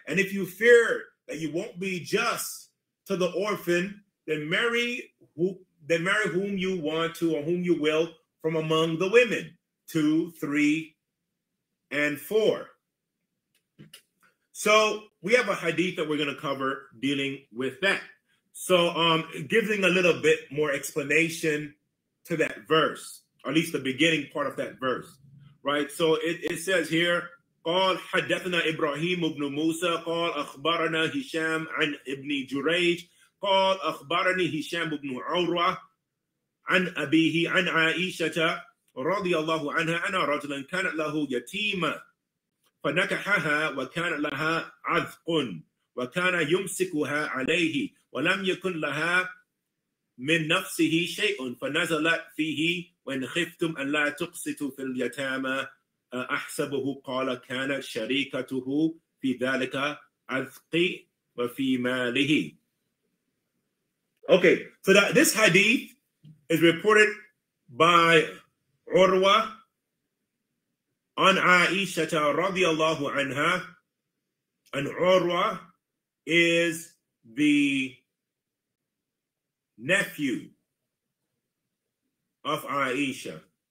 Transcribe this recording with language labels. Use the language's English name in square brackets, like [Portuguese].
[English] And if you fear that you won't be just to the orphan, then marry whom you want to or whom you will from among the women, 2, 3, and 4. So we have a hadith that we're going to cover dealing with that. So giving a little bit more explanation to that verse, or at least the beginning part of that verse, right? So it says here, [Arabic] قال حدثنا إبراهيم بن موسى قال أخبرنا هشام عن ابن جريج قال أخبرني هشام بن عروة عن أبيه عن عائشة رضي الله عنها أن رجلا كانت له يتيمة فنكحها وكان لها عذق وكان يمسكها عليه ولم يكن لها من نفسه شيء فنزلت فيه وإن خفتم أن لا تقسطوا في اليتامى أحسبه قال كان شريكته في ذلك عذقي وفي ماله. [English] Okay, so that this hadith is reported by Urwa on Aisha radiallahu anha, and Urwa is the nephew of Aisha.